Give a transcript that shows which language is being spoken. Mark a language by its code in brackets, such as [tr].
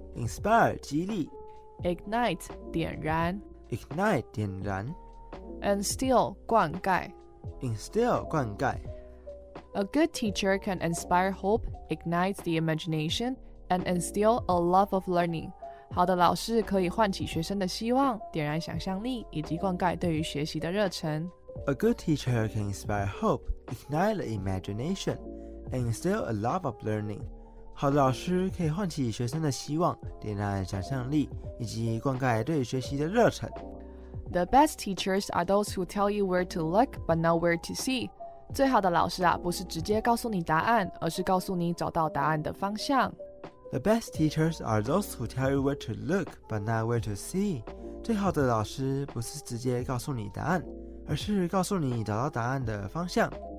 [en] Inspire, 激励。 Ignite, 点燃。 Ignite, 点燃。 Instill, 灌溉。 Instill, 灌溉。 A good teacher can inspire hope, ignite the imagination, and instill a love of learning. [zh] 好的老师可以唤起学生的希望，点燃想象力，以及灌溉对于学习的热忱。 [en] A good teacher can inspire hope, ignite the imagination, and instill a love of learning. [zh] 好的老师可以唤起学生的希望，点燃想象力，以及灌溉对学习的热忱。 [en] The best teachers are those who tell you where to look, but not where to see. [zh] 最好的老师啊，不是直接告诉你答案，而是告诉你找到答案的方向。 [en] The best teachers are those who tell you where to look, but not where to see. [zh] 最好的老师不是直接告诉你答案。而是告诉你找到答案的方向。